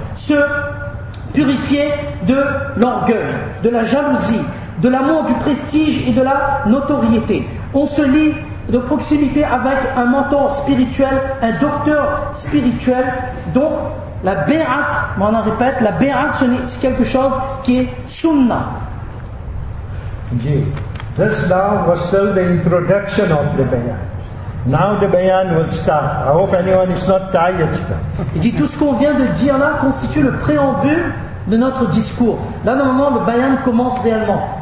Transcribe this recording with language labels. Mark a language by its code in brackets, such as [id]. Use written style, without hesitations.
[fr] Ce purifier de l'orgueil, de la jalousie, de l'amour du prestige et de la notoriété. On se lie de proximité avec un mentor spirituel, un docteur spirituel. Donc la bay'at, on en répète, la bay'at c'est quelque chose qui est sunnah. [en] Yeah. This now was still the introduction of the bay'at. Now the bayan will start. I hope anyone is not tired still. [fr] Il dit tout ce qu'on vient de dire là constitue le préambule de notre discours. Là normalement le bayan commence réellement.